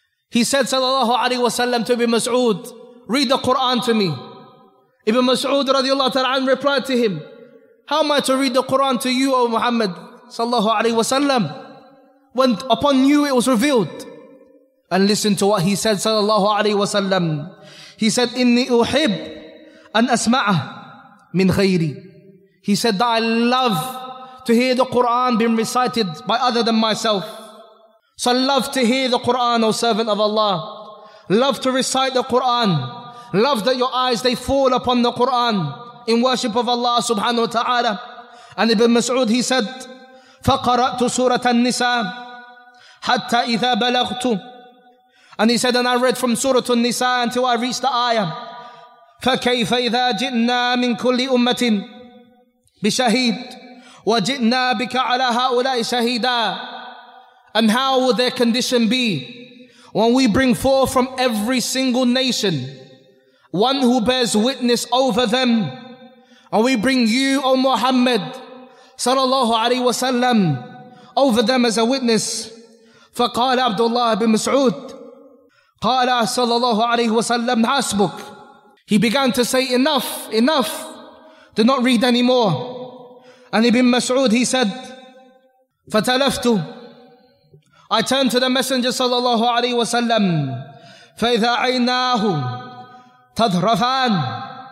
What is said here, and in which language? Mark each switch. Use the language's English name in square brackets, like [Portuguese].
[English] He said صلى الله عليه وسلم to Ibn Mas'ud, read the Quran to me. Ibn Mas'ud رضي الله تعالى عنه replied to him, how am I to read the Quran to you, O Muhammad صلى الله عليه وسلم, when upon you it was revealed? And listen to what he said صلى الله عليه وسلم. He said, [Arabic] إني أحب أن أسمعه من غيري. [English] He said that I love to hear the Quran being recited by other than myself. So I love to hear the Quran, O servant of Allah. Love to recite the Quran. Love that your eyes, they fall upon the Quran in worship of Allah subhanahu wa ta'ala. And Ibn Mas'ud, he said, [Arabic] فَقَرَأْتُ سُورَةَ النِّسَاءِ حَتَّى إِذَا بَلَغْتُ. [English] And he said, and I read from Surah An-Nisa until I reached the ayah. [Arabic] فَكَيْفَ إِذَا جِئْنَا مِنْ كُلِّ أُمَّةٍ بِشَهِيدٍ وَجِئْنَا بِكَ عَلَى هَؤُلَاءِ شَهِيدًا. [English] And how will their condition be when we bring forth from every single nation one who bears witness over them, and we bring you, O Muhammad sallallahu alayhi wasallam, over them as a witness. [Arabic] فَقَالَ عَبْدُ اللَّهِ بِنْ مَسْعُودٍ قَالَ sallallahu alayhi wasallam حَسْبُكَ. [English] He began to say, enough, enough. Do not read anymore. And Ibn Mas'ud, he said, فَتَلَفْتُ. I turned to the Messenger sallallahu alayhi wa sallam. [Arabic] فَإِذَا عَيْنَاهُ تَذْرَفَانَ.